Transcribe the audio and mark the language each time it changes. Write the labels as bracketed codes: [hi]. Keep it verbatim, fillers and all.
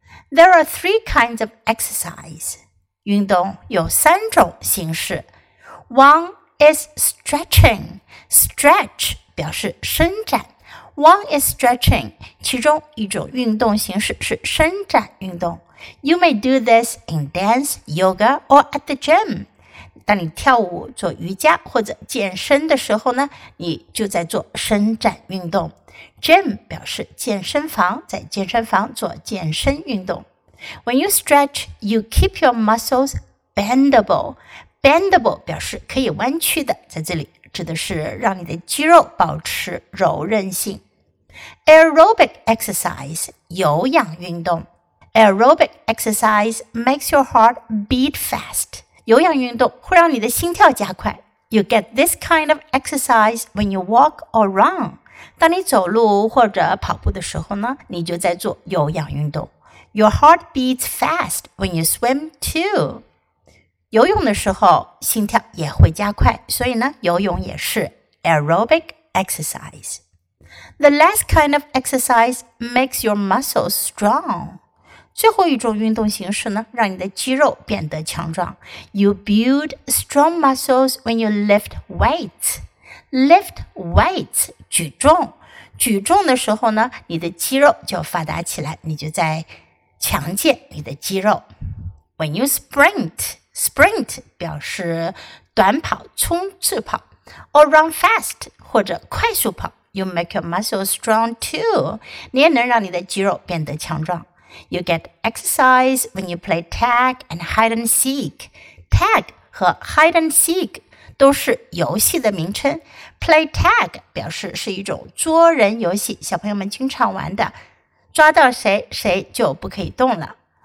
[en] There are three kinds of exercise, [zh] 运动有三种形式 [en] One is stretching, stretch [zh] 表示伸展 [en] One is stretching, [zh] 其中一种运动形式是伸展运动。 [en] You may do this in dance, yoga, or at the gym. [zh] 当你跳舞、做瑜伽或者健身的时候呢，你就在做伸展运动。 Gym 表示健身房，在健身房做健身运动。 [en] When you stretch, you keep your muscles bendable. [zh] Bendable 表示可以弯曲的，在这里指的是让你的肌肉保持柔韧性。 [en] Aerobic exercise, [zh] 有氧运动。 [en] Aerobic exercise makes your heart beat fast. [zh] 有氧运动会让你的心跳加快。 [en] You get this kind of exercise when you walk or run. [zh] 当你走路或者跑步的时候呢，你就在做有氧运动。 [en] Your heart beats fast when you swim too. [zh] 游泳的时候，心跳也会加快，所以呢，游泳也是 [en] aerobic exercise. The last kind of exercise makes your muscles strong. [zh] 最后一种运动形式呢，让你的肌肉变得强壮。 [en] You build strong muscles when you lift weights. Lift weights, [zh] 举重。举重的时候呢，你的肌肉就发达起来，你就在强健你的肌肉。 [en] When you sprint, sprint [zh] 表示短跑、冲刺跑。 [en] Or run fast, [zh] 或者快速跑。 [en] You make your muscles strong too. [zh] 你也能让你的肌肉变得强壮。 [en] You get exercise when you play tag and hide and seek. [zh] Tag 和 hide and seek 都是游戏的名称。 Play tag 表示是一种捉人游戏，小朋友们经常玩的，抓到谁谁就不可以动了。